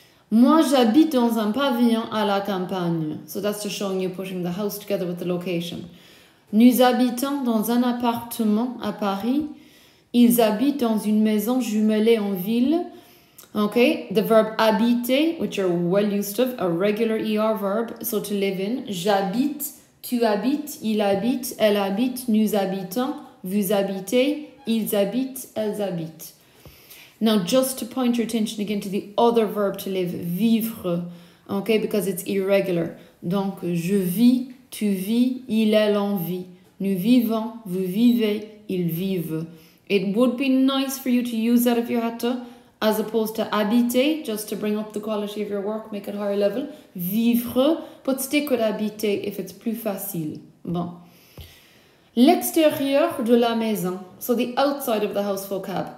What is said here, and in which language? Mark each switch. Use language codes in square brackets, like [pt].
[fr] Moi, j'habite dans un pavillon à la campagne. [en] So that's just showing you putting the house together with the location. [fr] Nous habitons dans un appartement à Paris. Ils habitent dans une maison jumelée en ville. [en] Okay, the verb habiter, which you're well used to, a regular ER verb, so to live in. [fr] J'habite, tu habites, il habite, elle habite, nous habitons, vous habitez, ils habitent, elles habitent. [en] Now, just to point your attention again to the other verb to live, vivre, okay, because it's irregular. [fr] Donc, je vis, tu vis, il, elle en vit. Nous vivons, vous vivez, ils vivent. [en] It would be nice for you to use that if you had to, as opposed to habiter, just to bring up the quality of your work, make it higher level. Vivre, but stick with habiter if it's [fr] plus facile. [en] Bon. [fr] L'extérieur de la maison. [en] So the outside of the house vocab.